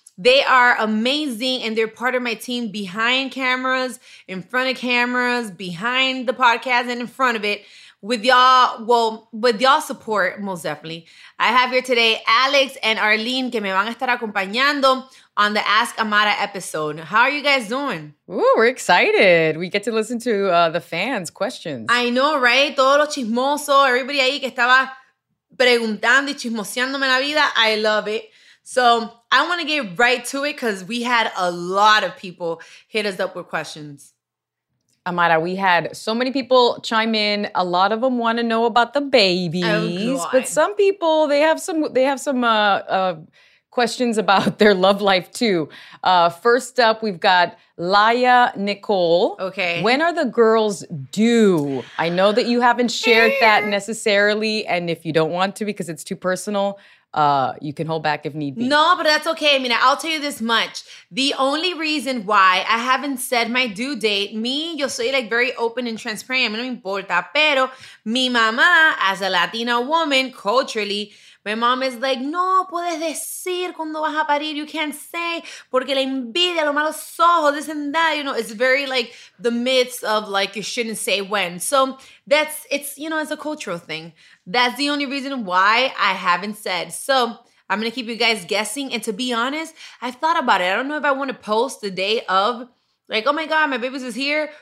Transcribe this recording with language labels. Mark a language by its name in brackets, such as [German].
[English] They are amazing and they're part of my team behind cameras, in front of cameras, behind the podcast and in front of it. With y'all support, most definitely. I have here today Alex and Arlene [Spanish] que me van a estar acompañando [English] on the Ask Amara episode. How are you guys doing? Ooh, we're excited. We get to listen to the fans' questions. I know, right? [Spanish] Todo lo chismoso, [English] everybody [Spanish] ahí que estaba preguntando y chismoseándome la vida. [English] I love it. So I want to get right to it because we had a lot of people hit us up with questions. Amara, we had so many people chime in. A lot of them want to know about the babies, oh, but some people they have some questions about their love life too. First up, we've got Laya Nicole. Okay, when are the girls due? I know that you haven't shared that necessarily, and if you don't want to because it's too personal, you can hold back if need be. No, but that's okay. I mean, I'll tell you this much. The only reason why I haven't said my due date, [Spanish] me, yo soy [English] like very open and transparent. [Spanish] No me importa, pero mi mamá, [English] as a Latina woman, culturally, my mom is like, [Spanish] no puedes decir cuando vas a parir. [English] You can't say [Spanish] porque la envidia, los malos ojos, [English] this and that. You know, it's very like the myths of like you shouldn't say when. So it's a cultural thing. That's the only reason why I haven't said. So I'm going to keep you guys guessing. And to be honest, I've thought about it. I don't know if I want to post the day of like, oh my God, my baby's is here.